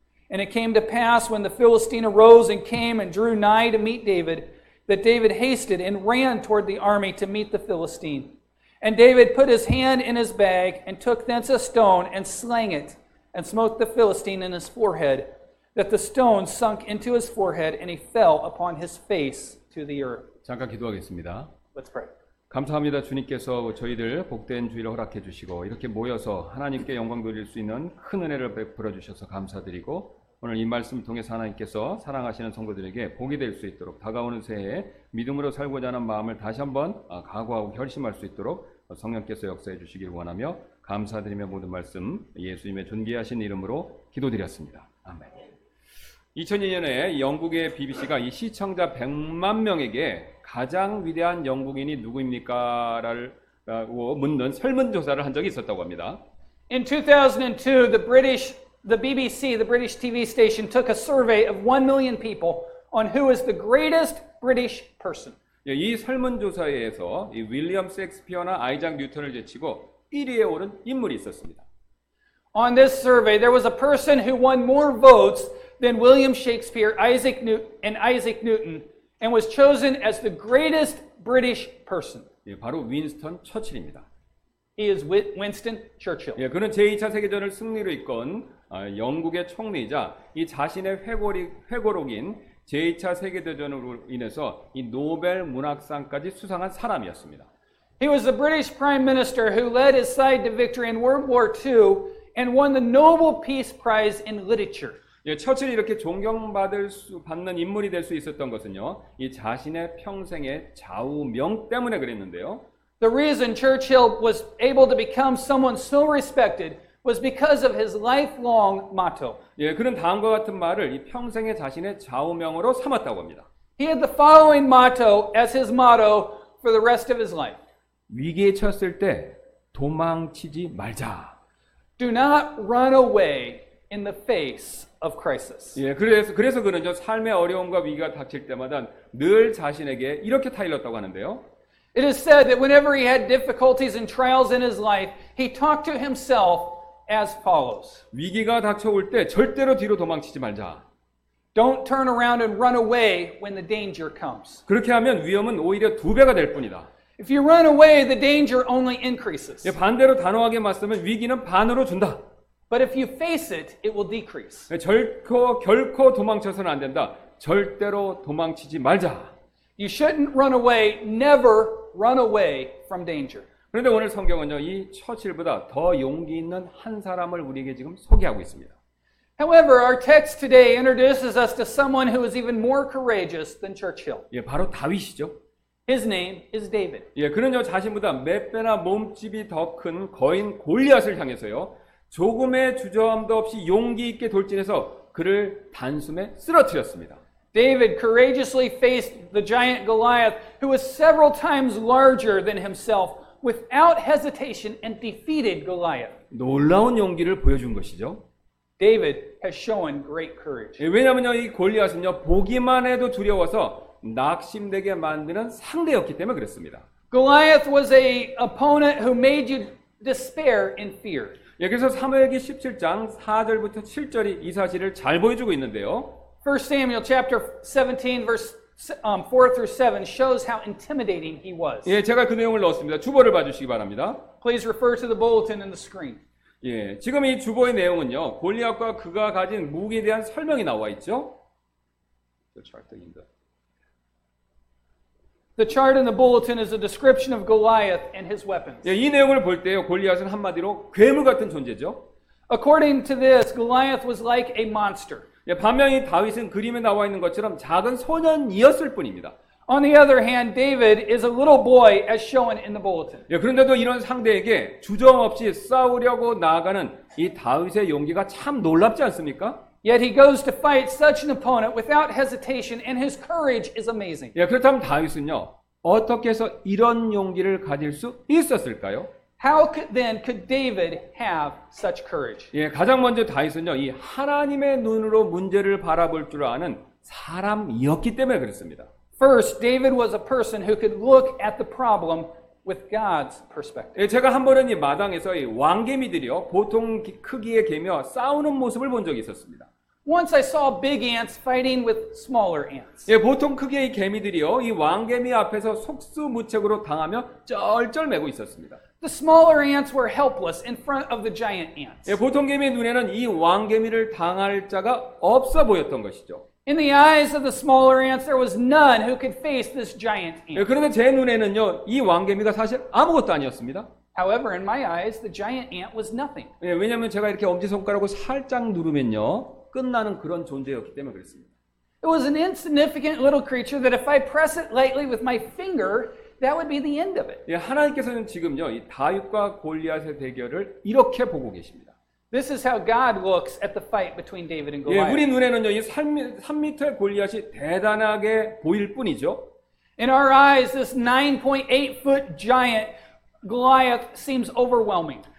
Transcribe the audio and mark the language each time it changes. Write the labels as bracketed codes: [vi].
[en] And it came to pass, when the Philistine arose and came and drew nigh to meet David, that David hasted and ran toward the army to meet the Philistine. And David put his hand in his bag, and took thence a stone, and slang it, and smote the Philistine in his forehead, that the stone sunk into his forehead, and he fell upon his face to the earth. [ko] 잠깐 기도하겠습니다. [en] Let's pray. [ko] 감사합니다. 주님께서 저희들 복된 주일을 허락해 주시고 이렇게 모여서 하나님께 영광 돌릴 수 있는 큰 은혜를 베풀어 주셔서 감사드리고 오늘 이 말씀을 통해서 하나님께서 사랑하시는 성도들에게 복이 될 수 있도록 다가오는 새해에 믿음으로 살고자 하는 마음을 다시 한번 각오하고 결심할 수 있도록 성령께서 역사해 주시길 원하며 감사드리며 모든 말씀 예수님의 존귀하신 이름으로 기도드렸습니다. 아멘. 2002년에 영국의 BBC가 이 시청자 100만 명에게 가장 위대한 영국인이 누구입니까? 라고 묻는 설문조사를 한 적이 있었다고 합니다. [en] In 2002, the BBC, the British TV station, took a survey of 1 million people on who is the greatest British person. [ko] 이 설문조사에서 이 윌리엄 셰익스피어나 아이작 뉴턴을 제치고 1위에 오른 인물이 있었습니다. [en] On this survey, there was a person who won more votes than William Shakespeare, Isaac Newton, and was chosen as the greatest British person. [ko] 예, 바로 윈스턴 처칠입니다. [en] He is Winston Churchill. [ko] 예, 그는 제2차 세계전을 승리로 이끈 영국의 총리이자 이 자신의 회고록인 제2차 세계대전으로 인해서 이 노벨 문학상까지 수상한 사람이었습니다. [en] He was the British Prime Minister who led his side to victory in World War II and won the Nobel Peace Prize in Literature. [ko] 예, 처칠이 이렇게 존경받을 수 받는 인물이 될 수 있었던 것은요, 이 자신의 평생의 좌우명 때문에 그랬는데요. [en] The reason Churchill was able to become someone so respected was because of his lifelong motto. [ko] 예, 그는 다음과 같은 말을 이 평생의 자신의 좌우명으로 삼았다고 합니다. [en] He had the following motto as his motto for the rest of his life. [ko] 위기에 처했을 때 도망치지 말자. [en] Do not run away in the face of crisis. [ko] 예, 그래서 그는요, 삶의 어려움과 위기가 닥칠 때마다 늘 자신에게 이렇게 타일렀다고 하는데요. [en] It is said that whenever he had difficulties and trials in his life, he talked to himself as follows. [ko] 위기가 닥쳐올 때 절대로 뒤로 도망치지 말자. [en] Don't turn around and run away when the danger comes. [ko] 그렇게 하면 위험은 오히려 두 배가 될 뿐이다. [en] If you run away, the danger only increases. [ko] 예, 반대로 단호하게 맞으면 위기는 반으로 준다. [en] But if you face it, it will decrease. [ko] 결코 도망쳐서는 안 된다. 절대로 도망치지 말자. [en] You shouldn't run away, never run away from danger. [ko] 그런데 오늘 성경은요, 이 처칠보다 더 용기 있는 한 사람을 우리에게 지금 소개하고 있습니다. [en] However, our text today introduces us to someone who is even more courageous than Churchill. [ko] 예, 바로 다윗이죠. [en] His name is David. [ko] 예, 그는요 자신보다 몇 배나 몸집이 더 큰 거인 골리앗을 향해서요 조금의 주저함도 없이 용기 있게 돌진해서 그를 단숨에 쓰러뜨렸습니다. [en] David courageously faced the giant Goliath, who was several times larger than himself, without hesitation and defeated Goliath. [ko] 놀라운 용기를 보여준 것이죠. [en] David has shown great courage. [ko] 예, 왜냐하면요 이 골리앗은요 보기만 해도 두려워서 낙심되게 만드는 상대였기 때문에 그랬습니다. [en] Goliath was a opponent who made you despair and fear. [ko] 예, 그래서 사무엘기 17장 4절부터 7절이 이 사실을 잘 보여주고 있는데요. [en] 1 Samuel chapter 17 verse 4 through 7 shows how intimidating he was. [ko] 예, 제가 그 내용을 넣었습니다. 주보를 봐주시기 바랍니다. [en] Please refer to the bulletin in the screen. [ko] 예, 지금 이 주보의 내용은요. 골리앗과 그가 가진 무기에 대한 설명이 나와 있죠. [en] The chart in the bulletin is a description of Goliath and his weapons. [ko] 예, 이 내용을 볼 때요. 골리앗은 한마디로 괴물 같은 존재죠. [en] According to this, Goliath was like a monster. [ko] 예, 반면 이 다윗은 그림에 나와 있는 것처럼 작은 소년이었을 뿐입니다. [en] On the other hand, David is a little boy as shown in the bulletin. [ko] 예, 그런데도 이런 상대에게 주저함 없이 싸우려고 나아가는 이 다윗의 용기가 참 놀랍지 않습니까? [en] Yet he goes to fight such an opponent without hesitation and his courage is amazing. [ko] 예, 그렇다면 다윗은요. 어떻게 해서 이런 용기를 가질 수 있었을까요? [en] How could, then could David have such courage? [ko] 예, 가장 먼저 다윗은요. 이 하나님의 눈으로 문제를 바라볼 줄 아는 사람이었기 때문에 그랬습니다. [en] First, David was a person who could look at the problem with God's perspective. [ko] 예, 제가 한 번은 이 마당에서 이 왕개미들이요. 보통 크기의 개며 싸우는 모습을 본 적이 있었습니다. [en] Once I saw big ants fighting with smaller ants. [ko] 예, 보통 크기의 이 개미들이요. 이 왕개미 앞에서 속수무책으로 당하며 쩔쩔매고 있었습니다. [en] The smaller ants were helpless in front of the giant ants. [ko] 예, 보통 개미 눈에는 이 왕개미를 당할 자가 없어 보였던 것이죠. [en] In the eyes of the smaller ants, there was none who could face this giant ant. [ko] 예, 그런데 제 눈에는요, 이 왕개미가 사실 아무것도 아니었습니다. [en] However, in my eyes, the giant ant was nothing. [ko] 예, 왜냐하면 제가 이렇게 엄지 손가락으로 살짝 누르면요, 끝나는 그런 존재였기 때문에 그랬습니다. [en] It was an insignificant little creature that, if I press it lightly with my finger, that would be the end of it. [ko] 예, 하나님께서는 지금요, 이 다윗과 골리앗의 대결을 이렇게 보고 계십니다. [en] This is how God looks at the fight between David and Goliath. [ko] 예, 우리 눈에는요, 이 3미터의 골리앗이 대단하게 보일 뿐이죠. [en] In our eyes, this 9.8-foot giant Goliath seems overwhelming.